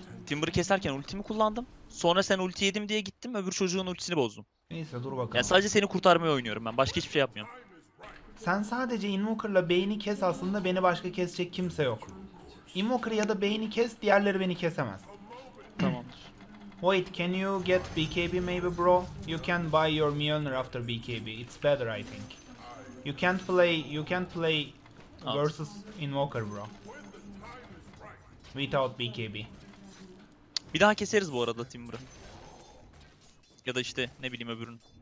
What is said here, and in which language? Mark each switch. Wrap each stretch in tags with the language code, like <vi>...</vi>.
<tr>Timber'ı keserken ultimi kullandım. Sonra sen ulti yedim diye gittim, öbür çocuğun ultisini bozdum. Neyse dur bakalım. Yani sadece seni kurtarmaya oynuyorum ben. Başka hiçbir şey yapmıyorum. Sen sadece Invoker'la beyni kes, aslında beni başka kesecek kimse yok. Invoker ya da beyni kes, diğerleri beni kesemez. Tamamdır.</tr> <en>Wait, can you get BKB maybe bro? You can buy your Mjolnir after BKB. It's better I think. You can't play versus Invoker bro. Without BKB.</en> <tr>Bir daha keseriz bu arada Timber'ı. Ya da işte ne bileyim öbürünü.</tr>